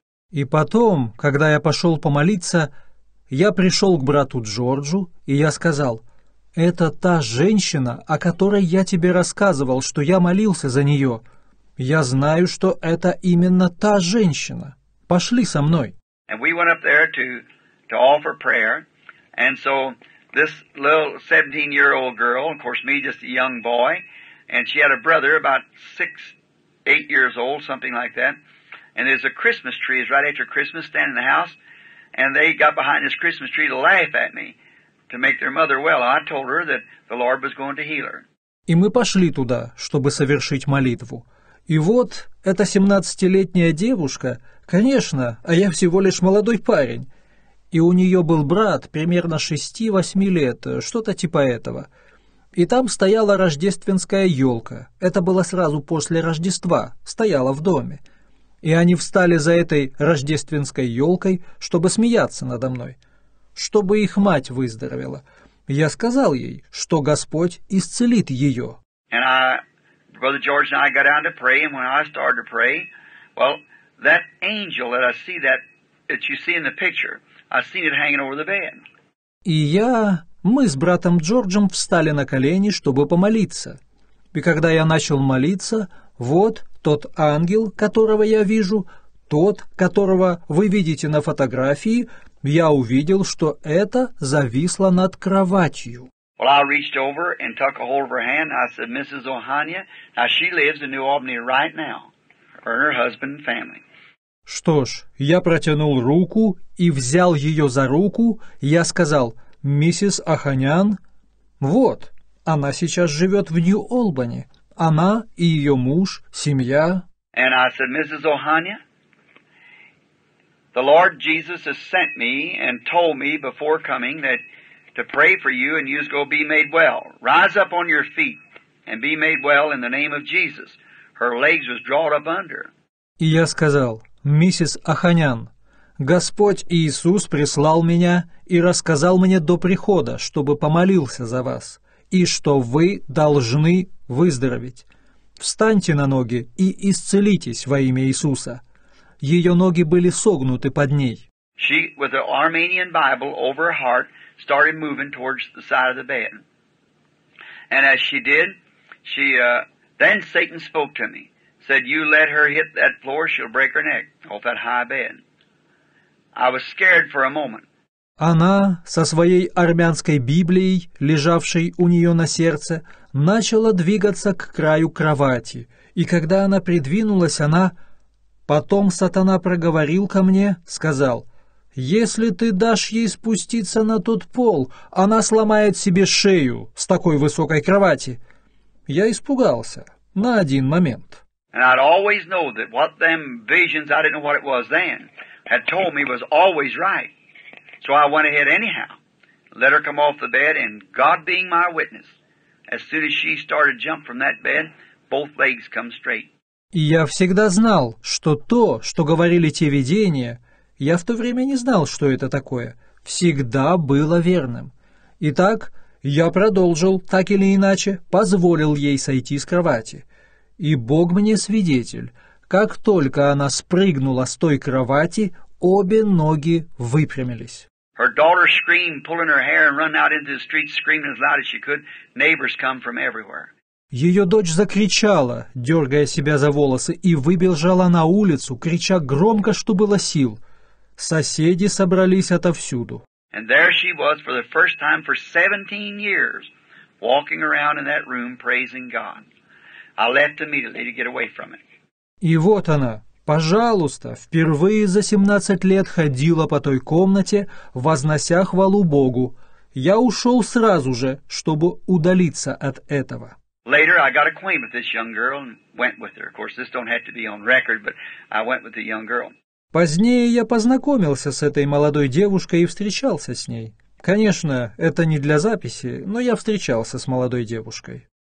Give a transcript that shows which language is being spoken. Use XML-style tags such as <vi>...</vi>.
<ru>И потом, когда я пошел помолиться, я пришел к брату Джорджу, и я сказал, «Это та женщина, о которой я тебе рассказывал, что я молился за нее. Я знаю, что это именно та женщина». Пошли со мной.</ru> <en>And we went up there to offer prayer. And so this little 17-year-old girl, of course me just a young boy, and she had a brother about 6-8 years old, something like that. And there's a Christmas tree, it's right after Christmas, standing in the house, and they got behind this Christmas tree to laugh at me to make their mother well. I told her that the Lord was going to heal her.</en> <ru>И мы пошли туда, чтобы совершить молитву. И вот эта 17-летняя девушка, конечно, а я всего лишь молодой парень. И у нее был брат, примерно 6-8 лет, что-то типа этого. И там стояла рождественская елка. Это было сразу после Рождества, стояла в доме. И они встали за этой рождественской елкой, чтобы смеяться надо мной, чтобы их мать выздоровела. Я сказал ей, что Господь исцелит ее.</ru> <en>Brother George and I got down to pray, and when I started to pray, well, that angel that I see, that you see in the picture, I seen it hanging over the bed.</en> <ru>И я, мы с братом Джорджем встали на колени, чтобы помолиться. И когда я начал молиться, вот тот ангел, которого я вижу, тот, которого вы видите на фотографии, я увидел, что это зависло над кроватью.</ru> <en>Well, I reached over and took a hold of her hand. I said, Mrs. Ohanian, now she lives in New Albany right now. or her husband and family.</en> <ru>Что ж, я протянул руку и взял ее за руку, я сказал, миссис Аханян, вот, она сейчас живет в Нью-Олбани, она и ее муж, семья.</ru> <en>And I said, Mrs. Ohanya, the Lord Jesus has sent me and told me before coming that to pray for you and you's going to be made well. Rise up on your feet and be made well in the name of Jesus. Her legs was drawn up under.</en> <ru>И я сказал, миссис Аханян, Господь Иисус прислал меня и рассказал мне до прихода, чтобы помолился за вас, и что вы должны выздороветь. Встаньте на ноги и исцелитесь во имя Иисуса. Ее ноги были согнуты под ней.</ru> <en>She, with the Armenian Bible over her heart, started moving towards the side of the bed. And as she did, she, then Satan spoke to me. Said, you let her hit that floor, she'll break her neck off that high bed. I was scared for a moment.</en> <ru>Она со своей армянской Библией, лежавшей у нее на сердце, начала двигаться к краю кровати. И когда она придвинулась, она... Потом сатана проговорил ко мне, сказал, «Если ты дашь ей спуститься на тот пол, она сломает себе шею с такой высокой кровати». Я испугался на один момент.</ru> <en>And I'd always know that what them visions, I didn't know what it was then, had told me was always right. So I went ahead anyhow, let her come off the bed, and God being my witness, as soon as she started to jump from that bed, both legs come straight.</en> <ru>И я всегда знал, что то, что говорили те видения, я в то время не знал, что это такое, всегда было верным. Итак, я продолжил, так или иначе, позволил ей сойти с кровати. И Бог мне свидетель, как только она спрыгнула с той кровати, обе ноги выпрямились.</ru> <en>Her daughter screamed, pulling her hair and running out into the street, screaming as loud as she could. Neighbors come from everywhere.</en> <ru>Ее дочь закричала, дергая себя за волосы, и выбежала на улицу, крича громко, что было сил. Соседи собрались отовсюду.</ru> <en>And there she was for the first time for 17 years, walking around in that room, praising God. I left immediately to get away from it.</en> <ru>И вот она, пожалуйста, впервые за 17 лет ходила по той комнате, вознося хвалу Богу. Я ушел сразу же, чтобы удалиться от этого.</ru> <en>Later, I got acquainted with this young girl and went with her. Of course, this don't have to be on record, but I went with the young girl.</en> <ru>Позднее я познакомился с этой молодой девушкой и встречался с ней. Конечно, это не для записи, но я встречался с молодой девушкой.</ru>